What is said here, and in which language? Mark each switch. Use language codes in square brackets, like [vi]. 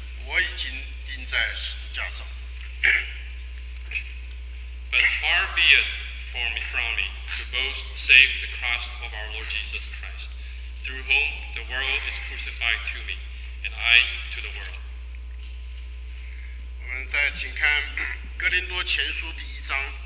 [zh] 世界已经钉在十字架上，就世界而论，我已经钉在十字架上。 [en] But far be it from me to boast save the cross of our Lord Jesus Christ, through whom the world is crucified to me, and I to the world. [zh] 我们再请看哥林多前书第一章。